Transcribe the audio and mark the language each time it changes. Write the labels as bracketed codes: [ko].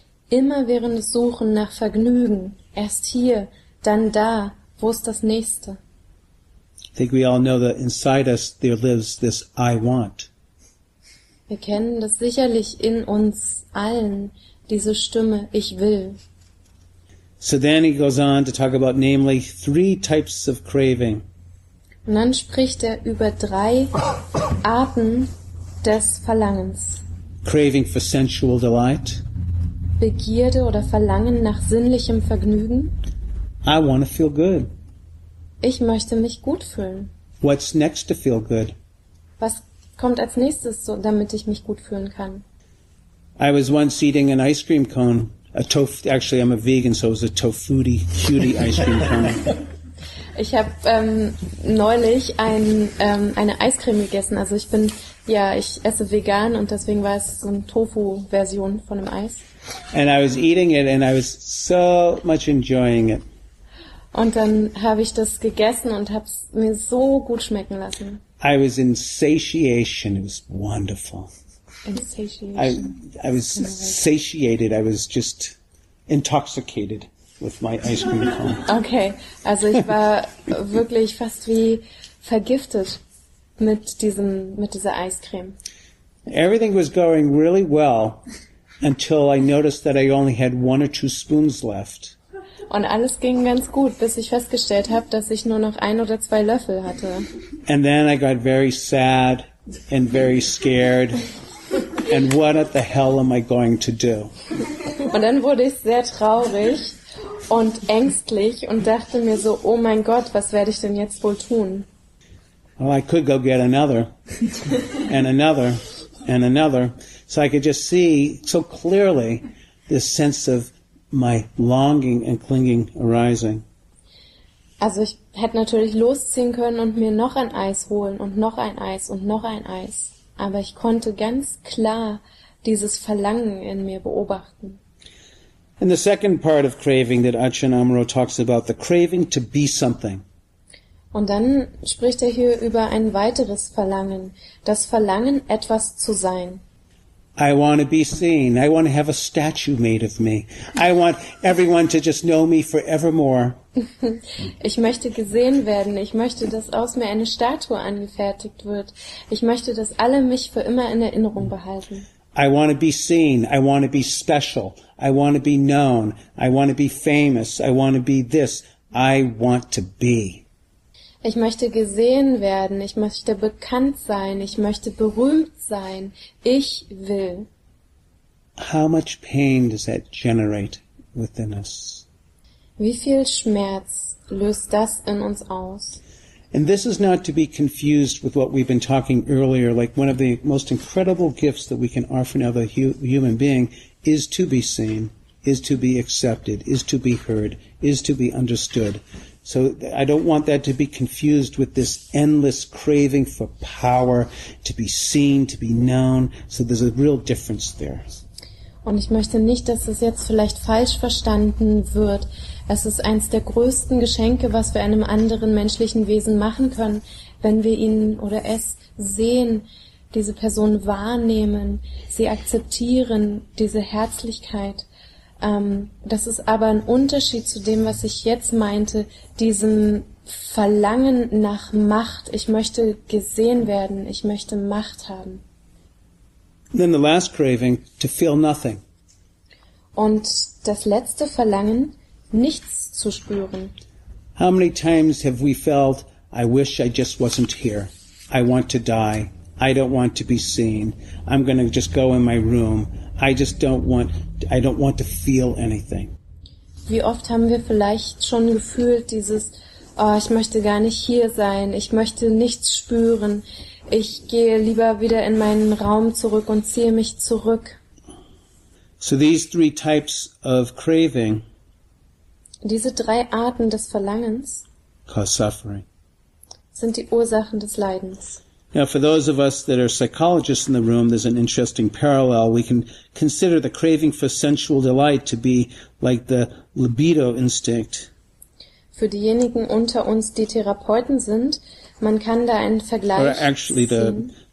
[de] Immerwährendes Suchen nach Vergnügen, erst hier, dann da, wo ist das Nächste? [en] I think we all know that inside us there lives this I want. [de] Wir kennen das sicherlich in uns allen, diese Stimme, ich will. [en] So then he goes on to talk about namely three types of craving. [de] Und dann spricht er über drei Arten des Verlangens. [en] Craving for sensual delight. [de] Begierde oder Verlangen nach sinnlichem Vergnügen. [en] I want to feel good. [de] Ich möchte mich gut fühlen. [en] What's next to feel good? [de] Was kommt als nächstes, so, damit ich mich gut fühlen kann? [en] I was once eating an ice cream cone. Actually, I'm a vegan, so it was a tofu-ty, cutie ice cream cone. [de] Ich habe neulich eine Eiscreme gegessen. Also ich bin, ja, ich esse vegan und deswegen war es so eine Tofu-Version von dem Eis. [en] And I was eating it and I was so much enjoying it. [de] Und dann habe ich das gegessen und habe es mir so gut schmecken lassen. [en] I was in satiation. It was wonderful. In satiation. I was satiated. I was just intoxicated with my ice cream cone. [de] Okay, also ich war wirklich fast wie vergiftet mit dieser Eiscreme. [en] Everything was going really well until I noticed that I only had one or two spoons left. [de] Und alles ging ganz gut, bis ich festgestellt habe, dass ich nur noch ein oder zwei Löffel hatte. [en] And then I got very sad and very scared. And what the hell am I going to do? [de] Und dann wurde ich sehr traurig und ängstlich und dachte mir so, oh mein Gott, was werde ich denn jetzt wohl tun? [en] Well, I could go get another and another and another. So I could just see so clearly this sense of my longing and clinging arising. [de] Also ich hätte natürlich losziehen können und mir noch ein Eis holen und noch ein Eis und noch ein Eis. Aber ich konnte ganz klar dieses Verlangen in mir beobachten. [en] And the second part of craving that Achin Amaro talks about, the craving to be something. [de] Und dann spricht er hier über ein weiteres Verlangen, das Verlangen, etwas zu sein. [en] I want to be seen. I want to have a statue made of me. I want everyone to just know me forevermore. [de] Ich möchte gesehen werden. Ich möchte, dass aus mir eine Statue angefertigt wird. Ich möchte, dass alle mich für immer in Erinnerung behalten. [en] I want to be seen. I want to be special. I want to be known. I want to be famous. I want to be this. I want to be. [de] Ich möchte gesehen werden, ich möchte bekannt sein, ich möchte berühmt sein. Ich will. [en] How much pain does that generate within us? [de] Wie viel Schmerz löst das in uns aus? [en] And this is not to be confused with what we've been talking earlier, like one of the most incredible gifts that we can offer another human being is to be seen, is to be accepted, is to be heard, is to be understood. So I don't want that to be confused with this endless craving for power, to be seen, to be known. So there's a real difference there. [de] Und ich möchte nicht, dass es jetzt vielleicht falsch verstanden wird. Es ist eins der größten Geschenke, was wir einem anderen menschlichen Wesen machen können, wenn wir ihn oder es sehen, diese Person wahrnehmen, sie akzeptieren, diese Herzlichkeit. Das ist aber ein Unterschied zu dem, was ich jetzt meinte, diesem Verlangen nach Macht. Ich möchte gesehen werden, ich möchte Macht haben. [en] Then the last craving, to feel nothing. [de] Und das letzte Verlangen, nichts zu spüren. [en] How many times have we felt, I wish I just wasn't here. I want to die. I don't want to be seen. I'm going to just go in my room. I just don't want to feel anything. [de] Wie oft haben wir vielleicht schon gefühlt dieses, oh, ich möchte gar nicht hier sein, ich möchte nichts spüren, ich gehe lieber wieder in meinen Raum zurück und ziehe mich zurück. [en] So these three types of craving, [de] diese drei Arten des Verlangens, [en] cause suffering, [de] sind die Ursachen des Leidens. [en] Now, for those of us that are psychologists in the room, there's an interesting parallel. We can consider the craving for sensual delight to be like the libido instinct. [de] Für diejenigen unter uns, die Therapeuten sind, man kann da einen Vergleich ziehen.